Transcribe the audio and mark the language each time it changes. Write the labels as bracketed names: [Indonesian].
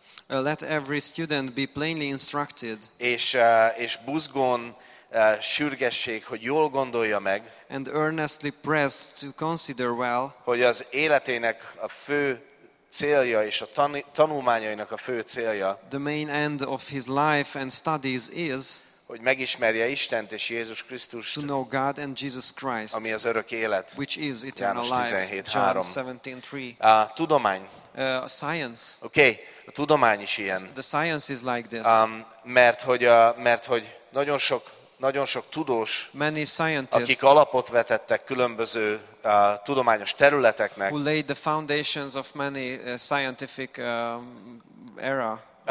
[English] Let every student be plainly instructed. [Hungarian] És buzgón sürgessék, hogy jól gondolja meg. [English] And earnestly pressed to consider well. [Hungarian] Hogy az életének a fő célja és a tanulmányainak a fő célja. [English] The main end of his life and studies is. [Hungarian] Hogy megismerje Istent és Jézus Krisztust. [English] To know God and Jesus Christ. [Hungarian] Ami az örök élet. [English] Which is eternal life. [Hungarian] János 17:3. A tudomány. [English] Science. [Hungarian] Okay, a tudomány is ilyen. [English] The science is like this. [Hungarian] Mert hogy nagyon sok tudós, [English] many scientists, [Hungarian] akik alapot vetettek különböző tudományos területeknek. [English] Who laid the foundations of many scientific era.